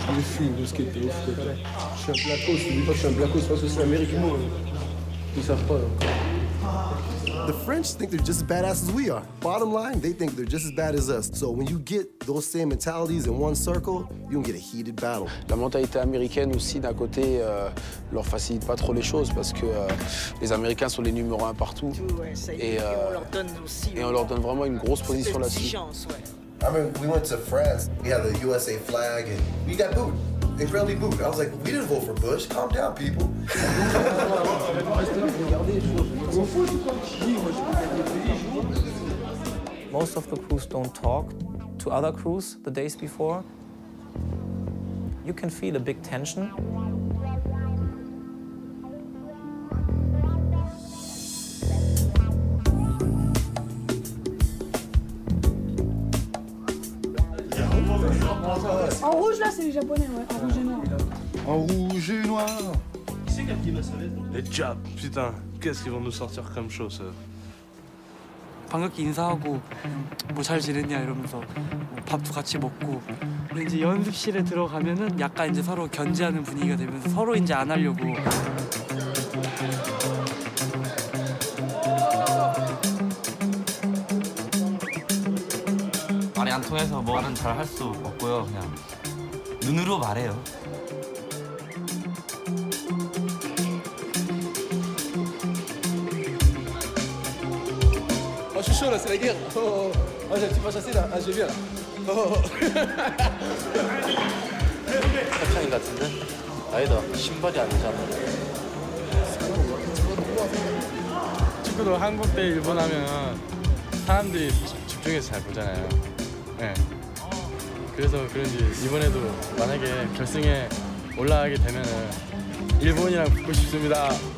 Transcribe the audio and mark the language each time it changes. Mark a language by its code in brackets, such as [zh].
[fr] Je suis un blacko, je dis pas que je suis un blacko, c'est parce que c'est américain. Ils savent pas, donc. [en] The French think they're just as badass as we are. Bottom line, they think they're just as bad as us. So when you get those same mentalities in one circle, you can get a heated battle. [fr] La mentalité américaine aussi, d'un côté, leur facilite pas trop les choses parce que les Américains sont les numéros un partout. Et on leur donne vraiment une grosse position là-dessus. [en] I mean, we went to France, we had the USA flag, and we got booed. Incredibly booed. I was like, we didn't vote for Bush. Calm down, people. Most of the crews don't talk to other crews the days before. You can feel a big tension. [fr] En rouge, là, c'est les Japonais, ouais. En rouge et noir. En rouge et noir. Qui c'est qui a pris la serviette? Les Jap, putain. Qu'est-ce qu'ils vont nous sortir comme chose, eux? [ko] 반갑게 인사하고 뭐 잘 지냈냐 이러면서 밥도 같이 먹고 이제 연습실에 들어가면은 약간 이제 서로 견제하는 분위기가 되면서 서로 이제 안 하려고. [en] I'm [fr] je suis chaud là, c'est la guerre. Oh, oh. Oh, j'ai un petit peu chassé là, ah, j'ai bien. [ko] Oh, oh. 착한 것 같은데? 아니다, 신발이 아니잖아. 축구도 한국 대 일본 하면 사람들이 집중해서 잘 보잖아요. 네. 그래서 그런지 이번에도 만약에 결승에 올라가게 되면 일본이랑 붙고 싶습니다.